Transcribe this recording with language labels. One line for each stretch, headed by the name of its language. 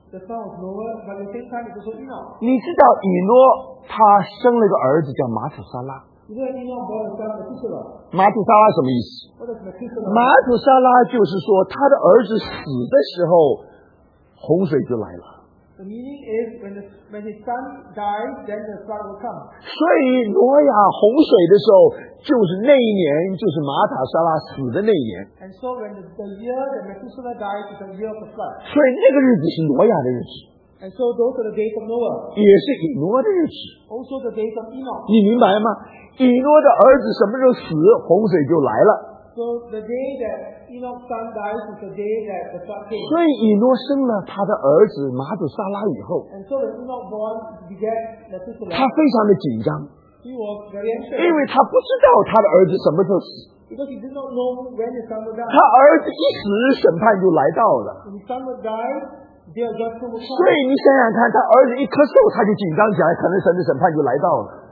Chinese: 你知道以挪他生了个儿子叫马土沙拉。马土沙拉什么意思？马土沙拉就是说他的儿子死的时候洪水就来了。
English: The meaning is when his son dies, then the flood will come.
Chinese: 所以挪亚洪水的时候，就是那一年，就是马塔沙拉死的那一年。
English: And so when the year that Methuselah dies is the year of the flood.
Chinese: 所以那个日子是挪亚的日子。
English: And so those are the days of Noah.
Chinese: 也是以挪的日子。
English: Also the days of Enoch.
Chinese: 你明白吗？以挪的儿子什么时候死，洪水就来了。
English: So the day that Enoch's son dies is the day that the flood came.
Chinese: 所以以诺生了他的儿子马土沙拉以后，
English: and so when Enoch born, began the sister,
Chinese: 他非常的紧张。
English: He was very anxious.
Chinese: 因为他不知道他的儿子什么时候死。
English: Because he did not know when his son would die.
Chinese: 他儿子一死，审判就来到了。
English: When his son would die, the judgment would come.
Chinese: 所以你想想看，他儿子一咳嗽，他就紧张起来，可能神的审判就来到了。